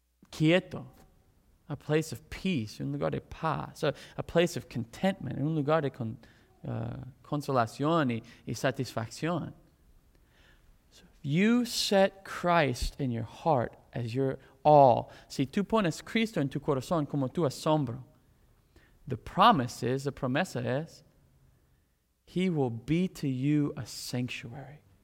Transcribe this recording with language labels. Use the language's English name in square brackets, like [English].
[Spanish] Quieto. [English] A place of peace. [Spanish] Un lugar de paz. [English] So a place of contentment. [Spanish] Un lugar de consolación y satisfacción. [English] So if you set Christ in your heart as your all. [Spanish] Si tú pones Cristo en tu corazón como tu asombro. [English] The promise is, he will be to you a sanctuary.